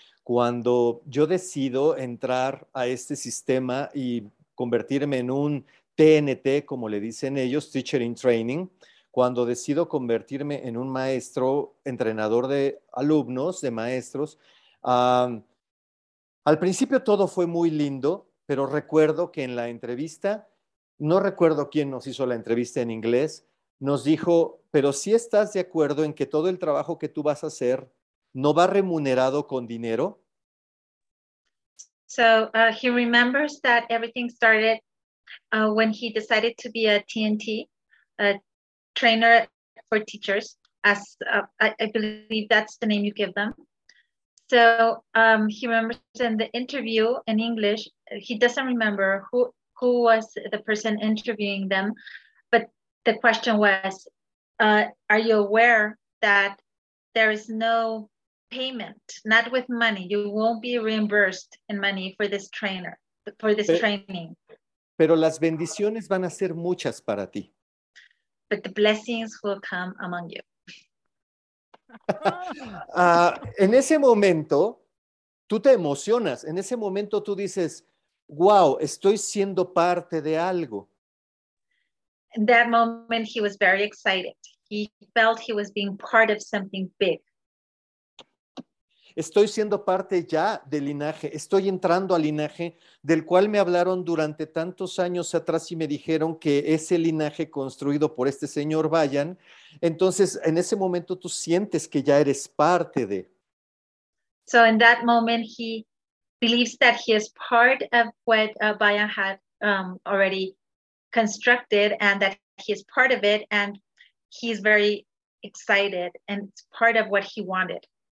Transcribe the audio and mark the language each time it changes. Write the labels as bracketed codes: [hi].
[es] Cuando yo decido entrar a este sistema y convertirme en un TNT, como le dicen ellos, [en] Teacher in Training, [es] cuando decido convertirme en un maestro, entrenador de alumnos, de maestros, al principio todo fue muy lindo, pero recuerdo que en la entrevista, no recuerdo quién nos hizo la entrevista en inglés, nos dijo, pero si estás de acuerdo en que todo el trabajo que tú vas a hacer no va remunerado con dinero. [en] So he remembers that everything started when he decided to be a TNT, a trainer for teachers, as I believe that's the name you give them. So he remembers in the interview in English, he doesn't remember who was the person interviewing them, but the question was, are you aware that there is no payment, not with money, you won't be reimbursed in money for this trainer, for this training. [es] Pero las bendiciones van a ser muchas para ti. [en] But the blessings will come among you. [es] En ese momento, tú te emocionas. En ese momento tú dices, wow, estoy siendo parte de algo. [en] In that moment, he was very excited. He felt he was being part of something big. [es] Estoy siendo parte ya del linaje, estoy entrando al linaje del cual me hablaron durante tantos años atrás y me dijeron que ese linaje construido por este señor Bayan. Entonces, en ese momento tú sientes que ya eres parte de. [en] So in that moment he believes that he is part of what Bayan had already constructed and that he is part of it and he's very excited and it's part of what he wanted.